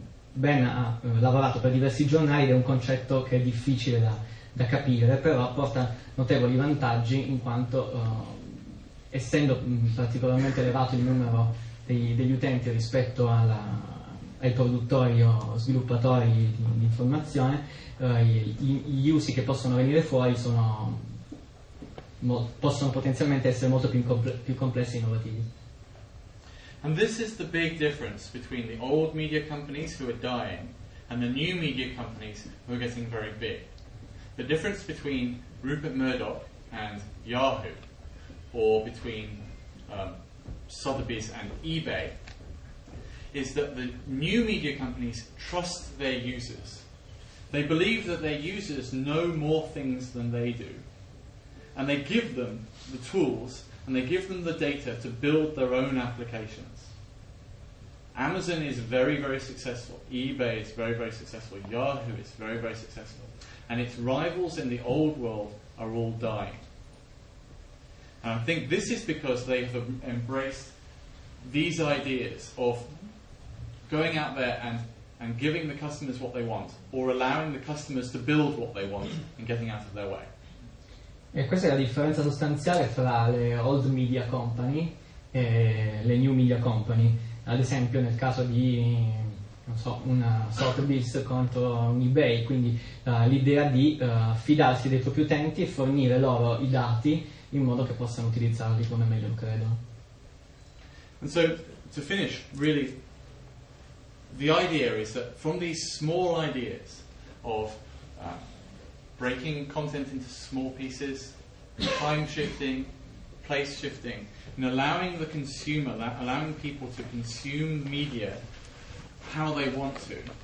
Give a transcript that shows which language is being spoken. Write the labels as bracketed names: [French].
[Italian] Ben ha lavorato per diversi giornali ed è un concetto che è difficile da capire, però porta notevoli vantaggi in quanto essendo particolarmente elevato il numero degli utenti rispetto ai produttori o sviluppatori di informazione, gli usi che possono venire fuori possono potenzialmente essere molto più complessi e innovativi. [English] And this is the big difference between the old media companies who are dying and the new media companies who are getting very big. The difference between Rupert Murdoch and Yahoo, or between Sotheby's and eBay, is that the new media companies trust their users. They believe that their users know more things than they do. And they give them the tools and they give them the data to build their own applications. Amazon is very, very successful. eBay is very, very successful. Yahoo is very, very successful. And its rivals in the old world are all dying. And I think this is because they have embraced these ideas of going out there and giving the customers what they want, or allowing the customers to build what they want and getting out of their way. [Italian] E questa è la differenza sostanziale fra le old media company e le new media company. Ad esempio nel caso di, non so, una Sotheby's contro un eBay, quindi l'idea di fidarsi dei propri utenti e fornire loro i dati in modo che possano utilizzarli come meglio credono. [English] And so, to finish, really, the idea is that from these small ideas of breaking content into small pieces, time shifting, place shifting, and allowing the consumer, allowing people to consume media how they want to,